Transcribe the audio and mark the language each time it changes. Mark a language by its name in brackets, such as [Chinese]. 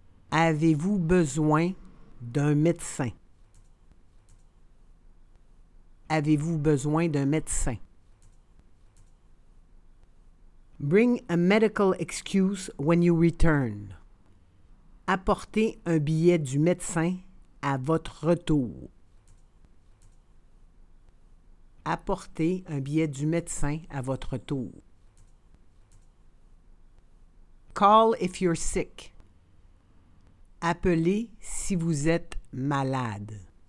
[French] Avez-vous besoin d'un médecin? Avez-vous besoin d'un médecin? [English] Bring a medical excuse when you return. [French] Apportez un billet du médecin à votre retour. Apportez un billet du médecin à votre retour. [English] Call if you're sick. [French] Appelez si vous êtes malade.